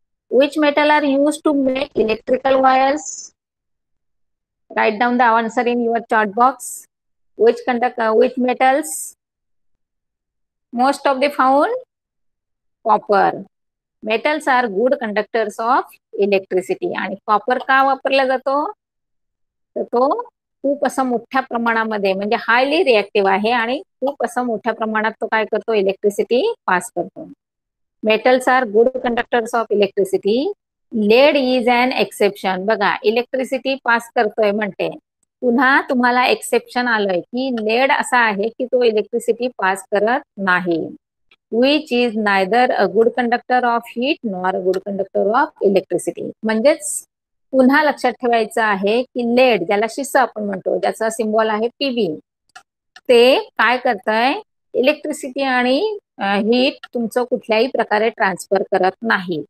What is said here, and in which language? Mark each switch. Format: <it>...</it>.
<en>Which metal are use to make electrical wires? Write down the answer in your chart box. Which conduct which metals most of the found? Copper. Metals are good conductors of electricity.</en> <mr>आणि copper का वापरला जातो, तर तो खूप असं मोठ्या प्रमाणामध्ये म्हणजे हायली रिएक्टिव्ह आहे आणि खूप असं मोठ्या प्रमाणात तो काय करतो, इलेक्ट्रिसिटी पास करतो.</mr> <en>Metals are good conductors of electricity. Lead is an exception.</en> <mr>बघा, इलेक्ट्रिसिटी पास करतोय म्हणते, पुन्हा तुम्हाला एक्सेप्शन आलंय की लेड असा आहे की तो इलेक्ट्रिसिटी पास करत नाही.</mr> <en>Which is neither a good conductor of heat nor a good conductor of electricity.</en> <mr>म्हणजेच पुन्हा लक्षात ठेवायचं आहे की लेड, ज्याला शिस आपण म्हणतो, ज्याचा सिम्बॉल आहे पीबी, ते काय करतंय, इलेक्ट्रिसिटी आणि हीट तुमचं कुठल्याही प्रकारे ट्रान्सफर करत नाही.</mr>